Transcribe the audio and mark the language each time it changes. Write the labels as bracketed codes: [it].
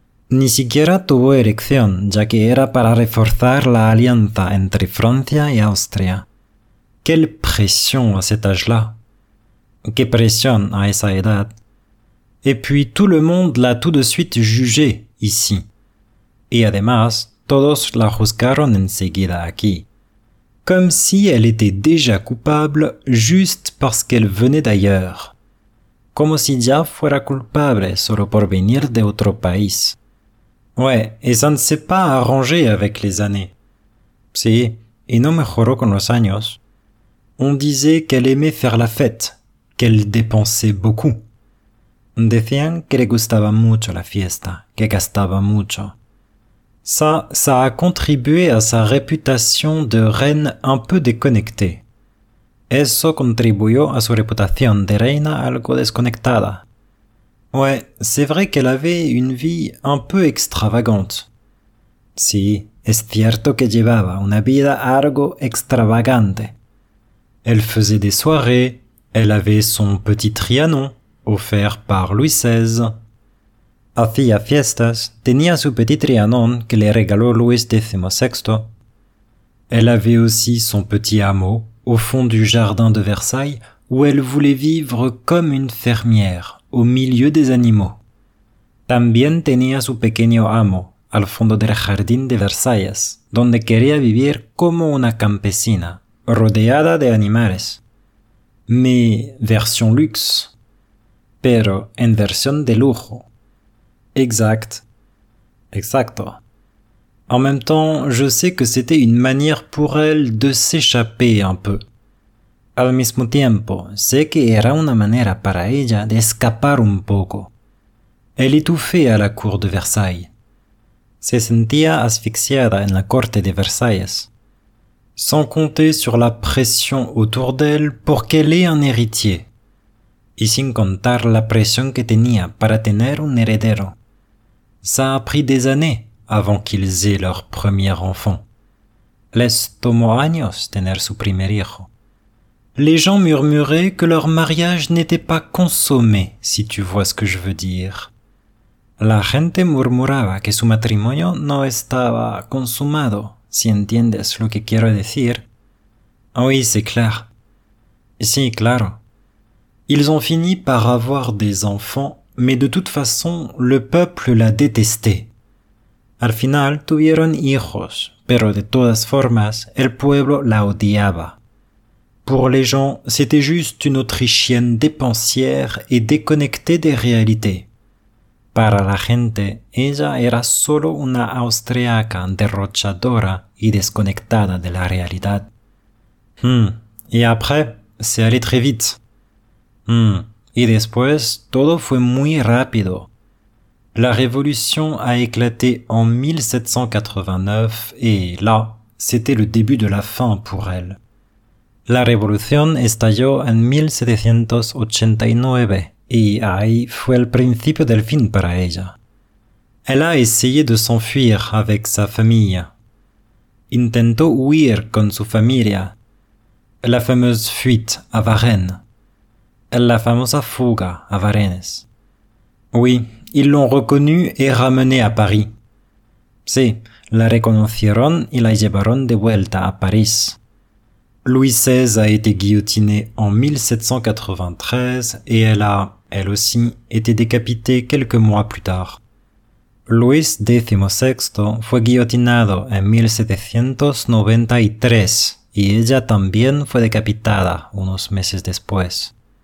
[es] Ni siquiera tuvo elección, ya que era para reforzar la alianza entre Francia y Austria. [fr] Quelle pression à cet âge-là. [es] Qué presión a esa edad. [fr] Et puis tout le monde l'a tout de suite jugé ici. [es] Y además, todos la juzgaron enseguida aquí. [fr] Comme si elle était déjà coupable juste parce qu'elle venait d'ailleurs. [es] Como si ya fuera culpable solo por venir de otro país. [fr] Ouais, et ça ne s'est pas arrangé avec les années. [es] Si, y no mejoró con los años. [fr] On disait qu'elle aimait faire la fête, qu'elle dépensait beaucoup. [es] Decían que le gustaba mucho la fiesta, que gastaba mucho. [fr] Ça a contribué à sa réputation de reine un peu déconnectée. [es] Eso contribuyó a su reputación de reina algo desconectada. [fr] Ouais, c'est vrai qu'elle avait une vie un peu extravagante. [es] Sí, es cierto que llevaba una vida algo extravagante. [fr] Elle faisait des soirées, elle avait son petit Trianon, offert par Louis XVI. [es] Hacía fiestas, tenía su petit Trianon que le regaló Luis XVI. [fr] Elle avait aussi son petit hameau, au fond du jardin de Versailles, où elle voulait vivre comme une fermière. Au milieu des animaux. [es] También tenía su pequeño amo, al fondo del jardín de Versalles, donde quería vivir como una campesina, rodeada de animales. [fr] Mais version luxe. [es] Pero en versión de lujo. [fr] Exact. [es] Exacto. [fr] En même temps, je sais que c'était une manière pour elle de s'échapper un peu. [es] Al mismo tiempo, sé que era una manera para ella de escapar un poco. [fr] Elle étouffait à la cour de Versailles. [es] Se sentía asfixiada en la corte de Versailles. [fr] Sans compter sur la pression autour d'elle pour qu'elle ait un héritier. [es] Y sin contar la presión que tenía para tener un heredero. [fr] Ça a pris des années avant qu'ils aient leur premier enfant. [es] Les tomó años tener su primer hijo. [fr] Les gens murmuraient que leur mariage n'était pas consommé, si tu vois ce que je veux dire. [es] La gente murmuraba que su matrimonio no estaba consumado, si entiendes lo que quiero decir. [fr] Oui, c'est clair. [es] Sí, claro. [fr] Ils ont fini par avoir des enfants, mais de toute façon, le peuple la détestait. [es] Al final, tuvieron hijos, pero de todas formas, el pueblo la odiaba. [fr] Pour les gens, c'était juste une Autrichienne dépensière et déconnectée des réalités. [es] Para la gente, ella era solo una austriaca derrochadora y desconectada de la realidad. [fr] Et après, c'est allé très vite. [es] y después todo fue muy rápido. [fr] La révolution a éclaté en 1789 et là, c'était le début de la fin pour elle. [es] La révolution estalló en 1789 et ahí fue el principio del fin para ella. [fr] Elle a essayé de s'enfuir avec sa famille. [es] Intentó huir con su familia. [fr] La fameuse fuite à Varennes. [es] La famosa fuga a Varennes. [fr] Oui, ils l'ont reconnue et ramenée à Paris. [es] Sí, la reconocieron y la llevaron de vuelta a París. [fr] Louis XVI a été guillotiné en 1793 et elle a, elle aussi, été décapitée quelques mois plus tard. [es] Luis XVI fue guillotinado en 1793 y ella también fue decapitada unos meses después.